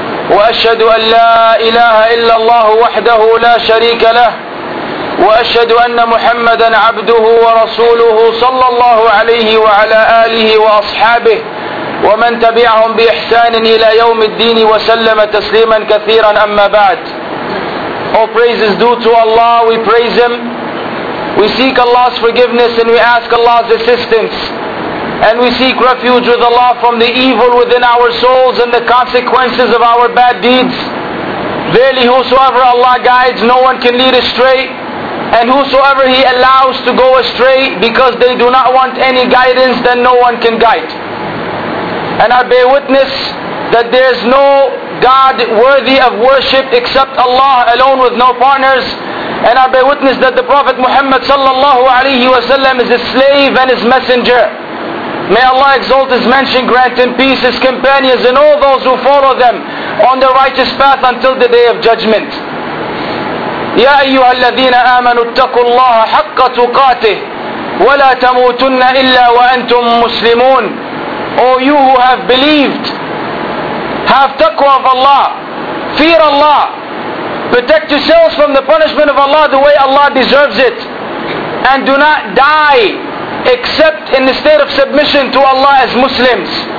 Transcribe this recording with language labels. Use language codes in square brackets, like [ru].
[ar] وأشهد أن لا إله إلا الله وحده لا شريك له، وأشهد أن محمدا عبده ورسوله صلى الله عليه وعلى آله وأصحابه ومن تبعهم بإحسان إلى يوم الدين وسلم تسليما كثيرا، أما بعد. [en] All praise is due to Allah, we praise Him. We seek Allah's forgiveness and we ask Allah's assistance. And we seek refuge with Allah from the evil within our souls and the consequences of our bad deeds. Verily, whosoever Allah guides, no one can lead astray. And whosoever He allows to go astray because they do not want any guidance, then no one can guide. And I bear witness that there is no God worthy of worship except Allah alone with no partners. And I bear witness that the Prophet Muhammad sallallahu alayhi wa sallam is his slave and his messenger. May Allah exalt His mention, grant Him peace, His companions and all those who follow them on the righteous path until the day of judgment. [ar] يا أيها الذين آمنوا اتقوا الله حق تقاته ولا تموتن إلا وأنتم مسلمون. [en] O you who have believed, have taqwa of Allah, fear Allah, protect yourselves from the punishment of Allah the way Allah deserves it, and do not die except in the state of submission to Allah as Muslims.